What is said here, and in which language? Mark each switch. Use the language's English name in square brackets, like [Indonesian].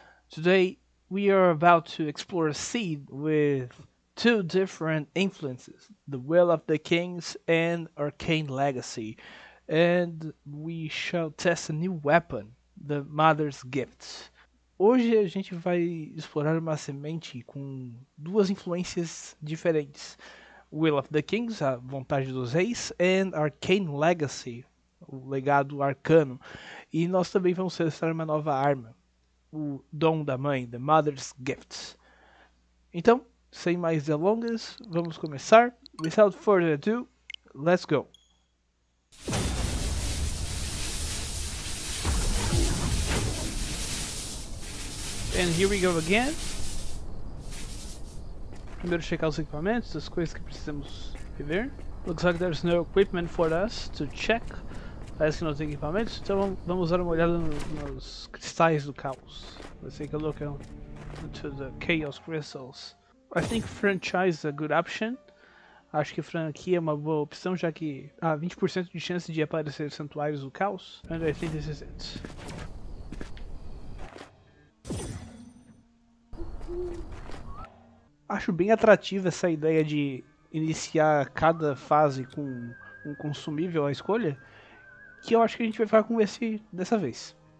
[English] Today we are about to explore a scene with two different influences, The Will of the Kings and Arcane Legacy, and we shall test a new weapon, the Mother's Gift. [Portuguese] Hoje a gente vai explorar uma semente com duas influências diferentes. Will of the Kings, a vontade dos reis, and Arcane Legacy, o legado arcano. E nós também vamos selecionar uma nova arma, o dom da mãe, The Mother's Gift. Então, sem mais delongas, vamos começar. [English] Without further ado, let's go. And here we go again. [Portuguese] Primeiro checar os equipamentos, as coisas que precisamos rever. [English] Looks like there's no equipment for us to check. [Portuguese] Parece que não tem equipamentos, então vamos dar uma olhada nos cristais do caos. [English] Let's take a look into the chaos crystals. I think franchise is a good option. [Portuguese] Acho que franquia é uma boa opção, já que há 20% de chance de aparecer santuários do caos. [English] And I think this is it. [Portuguese] Acho bem atrativa essa ideia de iniciar cada fase com um consumível à escolha, que eu acho que a gente vai ficar com esse dessa vez.